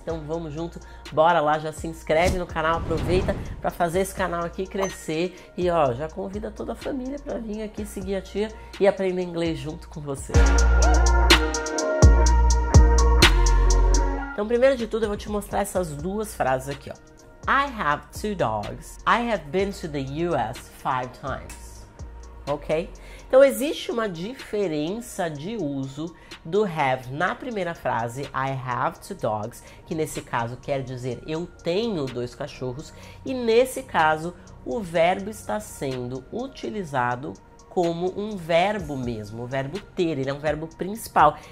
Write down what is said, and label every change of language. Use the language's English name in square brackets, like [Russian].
[Portuguese] Então vamos junto, bora lá, já se inscreve no canal, aproveita para fazer esse canal aqui crescer e ó, já convida toda a família para vir aqui seguir a tia e aprender inglês junto com você. Então, primeiro de tudo, eu vou te mostrar essas duas frases aqui, ó. [English] I have two dogs. I have been to the US 5 times. Ok? [Portuguese] Então existe uma diferença de uso do have na primeira frase, [English] I have two dogs, [Portuguese] que nesse caso quer dizer eu tenho dois cachorros, e nesse caso o verbo está sendo utilizado como um verbo mesmo, o verbo ter, ele é um verbo principal.